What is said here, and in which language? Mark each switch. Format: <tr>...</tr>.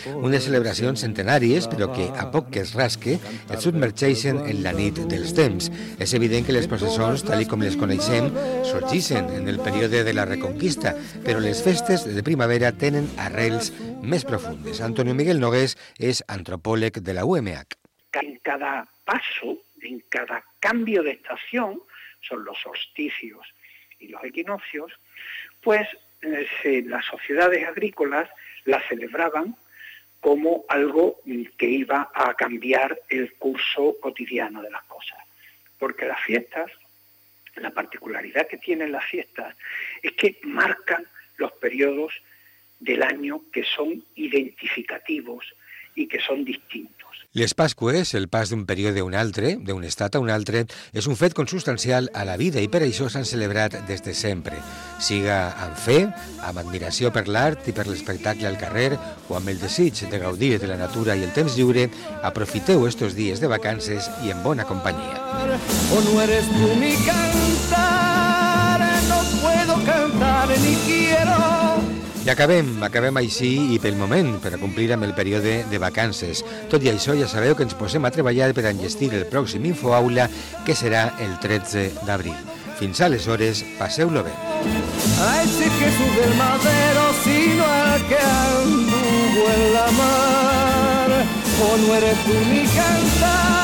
<ca>Unes celebracions centenàries, però que, a poc que es rasque, es submergeixen en la nit dels temps. És evident que les processons, tal com les coneixem, sorgissen en el període de la Reconquista, però les festes de primavera tenen arrels més profundes. Antonio Miguel Nogués és antropòleg de la UMH.</ca> <es>Cada passo, en cada cambio de estación, son los solsticios y los equinoccios, pues las sociedades agrícolas las celebraban como algo que iba a cambiar el curso cotidiano de las cosas. Porque las fiestas, la particularidad que tienen las fiestas, es que marcan los periodos del año que son identificativos y que son distintos.</es> <ca>Les Pasqües, el pas d'un període a un altre, d'un estat a un altre, és un fet consustancial a la vida i per això s'han celebrat des de sempre. Siga amb fe, amb admiració per l'art i per l'espectacle al carrer o amb el desig de gaudir de la natura i el temps lliure, aprofiteu estos dies de vacances i en bona companyia.</ca> <es>O no eres tú mi cantar, no puedo cantar ni quiero.</es> <ca>I acabem així i pel moment, per a complir amb el període de vacances. Tot i això, ja sabeu que ens posem a treballar per a enllestir el pròxim InfoAula, que serà el 13 d'abril. Fins aleshores, passeu-lo bé.</ca> <es>Ay, sí que sube el madero, sino el que anduvo en la mar. O no eres tú ni cantar.</es>